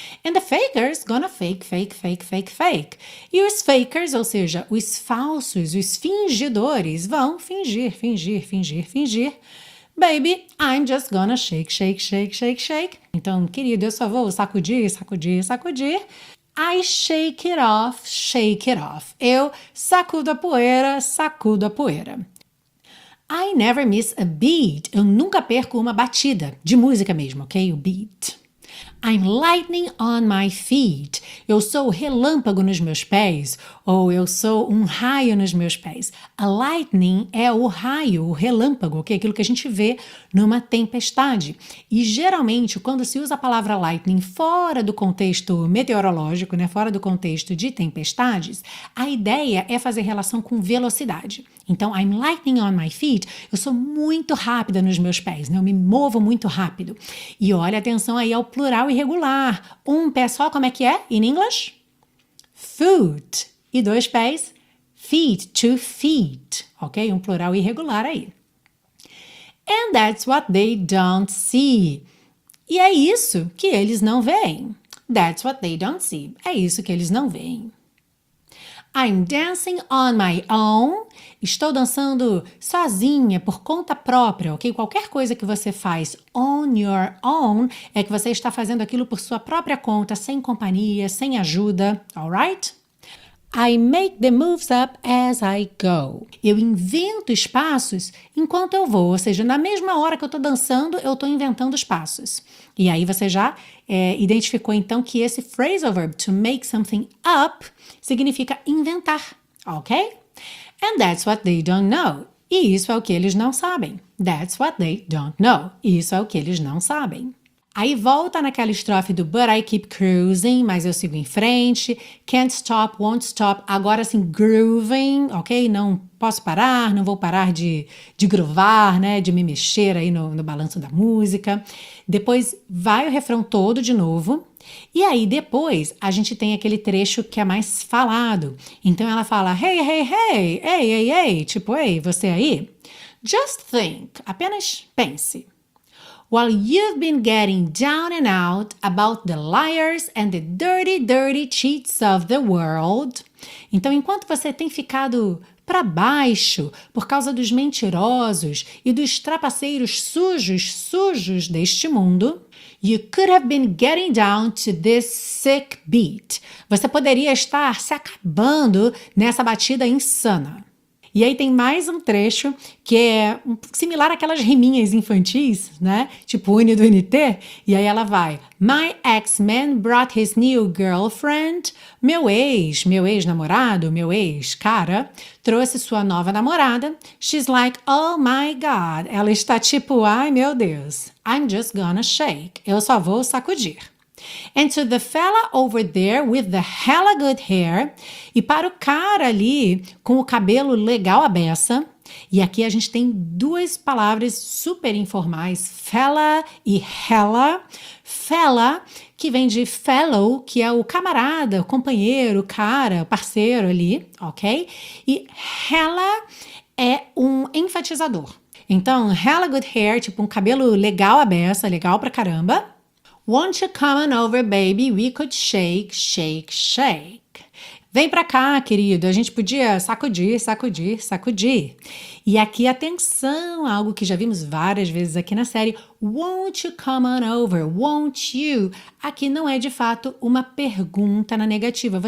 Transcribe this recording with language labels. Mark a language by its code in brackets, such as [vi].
[en] And the fakers gonna fake, fake, [pt] fake, fake, fake. E os fakers, ou seja, os falsos, os fingidores, vão fingir, fingir, fingir, fingir. [en] Baby, I'm just gonna shake, shake, shake, shake, shake. [pt] Então, querido, eu só vou sacudir, sacudir, sacudir. [en] I shake it off, shake it off. [pt] Eu sacudo a poeira, sacudo a poeira. [en] I never miss a beat. [pt] Eu nunca perco uma batida de música mesmo, ok? O beat. [en] I'm lightning on my feet. [pt] Eu sou relâmpago nos meus pés. Ou eu sou um raio nos meus pés. A lightning é o raio, o relâmpago, ok? Aquilo que a gente vê numa tempestade. E geralmente, quando se usa a palavra lightning fora do contexto meteorológico, né? Fora do contexto de tempestades, a ideia é fazer relação com velocidade. Então, [en] I'm lightning on my feet, [pt] eu sou muito rápida nos meus pés, né? Eu me movo muito rápido. E olha atenção aí ao plural irregular. Um pé só, como é que é in English? Foot. E dois pés? Feet, two feet. Ok? Um plural irregular aí. [en] And that's what they don't see. [pt] E é isso que eles não veem. [en] That's what they don't see. [pt] É isso que eles não veem. [en] I'm dancing on my own. [pt] Estou dançando sozinha, por conta própria, ok? Qualquer coisa que você faz [en] on your own [pt] é que você está fazendo aquilo por sua própria conta, sem companhia, sem ajuda, alright? [en] I make the moves up as I go. [pt] Eu invento os passos enquanto eu vou, ou seja, na mesma hora que eu estou dançando, eu estou inventando os passos. E aí você já identificou então que esse phrasal verb to make something up significa inventar, ok? [en] And that's what they don't know. [pt] E isso é o que eles não sabem. [en] That's what they don't know. [pt] Isso é o que eles não sabem. Aí volta naquela estrofe do [en] but I keep cruising, [pt] mas eu sigo em frente. [en] Can't stop, won't stop. [pt] Agora assim, [en] grooving, ok? [pt] Não posso parar, não vou parar de groovar, né? De me mexer aí no balanço da música. Depois vai o refrão todo de novo. E aí depois a gente tem aquele trecho que é mais falado. Então ela fala, hey, hey, hey, hey, hey, hey. Tipo, ei, hey, você aí? [en] Just think, [pt] apenas pense. [en] While you've been getting down and out about the liars and the dirty, dirty cheats of the world. [pt] Então, enquanto você tem ficado para baixo por causa dos mentirosos e dos trapaceiros sujos, sujos deste mundo, [en] you could have been getting down to this sick beat. [pt] Você poderia estar se acabando nessa batida insana. E aí tem mais um trecho que é similar àquelas riminhas infantis, né? Tipo Uni do NT. E aí ela vai: [en] My ex-man brought his new girlfriend. [pt] Meu ex-namorado, meu ex-cara, trouxe sua nova namorada. [en] She's like, oh my God. [pt] Ela está tipo, ai meu Deus. [en] I'm just gonna shake. [pt] Eu só vou sacudir. [en] And to the fella over there with the hella good hair, [pt] e para o cara ali com o cabelo legal à beça, e aqui a gente tem duas palavras super informais, fella e hella. Fella, que vem de fellow, que é o camarada, companheiro, cara, parceiro ali, ok? E hella é um enfatizador. Então, [en] hella good hair, [pt] tipo um cabelo legal à beça, legal pra caramba. [en] Won't you come on over, baby? We could shake, shake, shake. [pt] Vem pra cá, querido. A gente podia sacudir, sacudir, sacudir. E aqui, atenção, algo que já vimos várias vezes aqui na série. [en] Won't you come on over? Won't you? [pt] Aqui não é, de fato, uma pergunta na negativa.